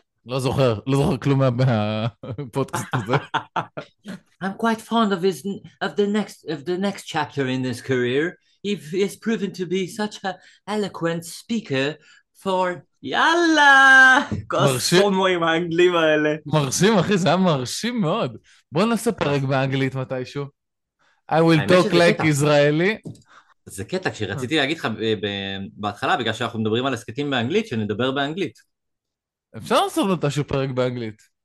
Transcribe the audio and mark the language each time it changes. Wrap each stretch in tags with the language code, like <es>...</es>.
<he>לא זוכר כלום מהפודקאסט הזה.</he> <en>I'm quite fond of the next chapter in his career. He has proven to be such an eloquent speaker for...</en> <he>יאללה! כוס פומוי עם האנגלים האלה. מרשים, אחי, זה היה מרשים מאוד. בוא נעשה פרק באנגלית מתישהו.</he> <en>I will talk like Israeli.</en> <he>זה קטע, כשרציתי להגיד לך בהתחלה, בגלל שאנחנו מדברים על הסקטים באנגלית, שנדבר באנגלית. אפשר לעשות מתישהו פרק באנגלית.</he>